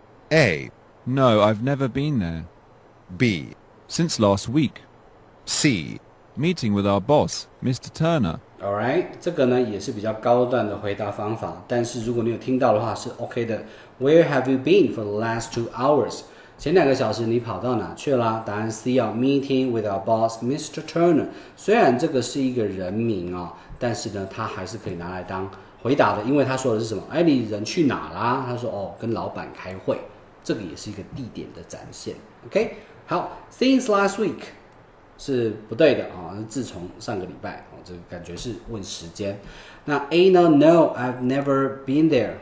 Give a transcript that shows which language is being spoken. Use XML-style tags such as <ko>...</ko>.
<en>A. No, I've never been there. B. Since last week. C. Meeting with our boss, Mr. Turner. All right,</en> <zh>这个呢也是比较高段的回答方法，但是如果你有听到的话是 OK 的。</zh> <en>Where have you been for the last 2 hours?</en> <zh>前两个小时你跑到哪去了？答案 C 啊</zh> <en>，meeting with our boss, Mr. Turner。</en> <zh>虽然这个是一个人名啊、哦，但是呢，它还是可以拿来当回答的，因为他说的是什么？哎，你人去哪啦？他说哦，跟老板开会。这个也是一个地点的展现。</zh> <en>OK， 好 ，since last week。</en> <zh>是不对的、哦、自从上个礼拜、哦、这个感觉是问时间。那 A 呢</zh> <en>？No, I've never been there。</en>